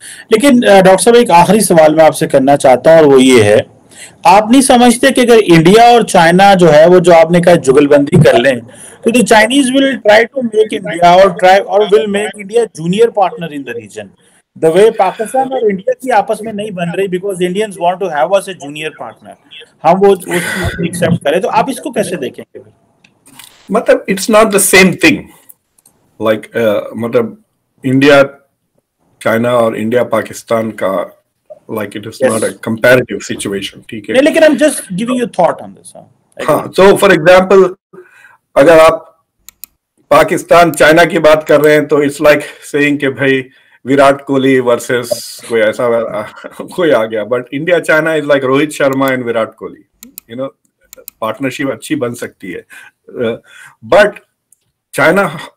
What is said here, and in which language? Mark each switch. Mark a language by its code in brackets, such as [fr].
[ur] لیکن ڈاکٹر صاحب ایک آخری سوال میں آپ سے کرنا چاہتا ہوں, اور وہ یہ ہے, آپ نہیں سمجھتے کہ اگر انڈیا اور چائنا جو ہے وہ جو آپ نے کہا جگل بندی کر لیں, تو [en] the Chinese will try to make India or try or will make India junior partner in the region, [ur] دی وے پاکستان اور انڈیا کی آپس میں نہیں بن رہی, [en] because Indians want to have as a junior partner, [ur] ہم وہ ایکسیپٹ کریں, تو آپ اس کو کیسے دیکھیں گے؟ [en] مطلب it's not the same thing, like مطلب India China اور انڈیا پاکستان کا, like it is yes. not a comparative situation. [ur] theek hai, lekin [en] I'm just giving you thought on this. So for example, [ur] agar aap Pakistan China ki baat kar rahe hain, [en] to it's like saying [ur] ke bhai [en] Virat Kohli versus [ur] koi aisa koi aa gaya, [en] but India China is like Rohit Sharma and Virat Kohli, you know, [ur] partnership achhi ban sakti hai, [en] but China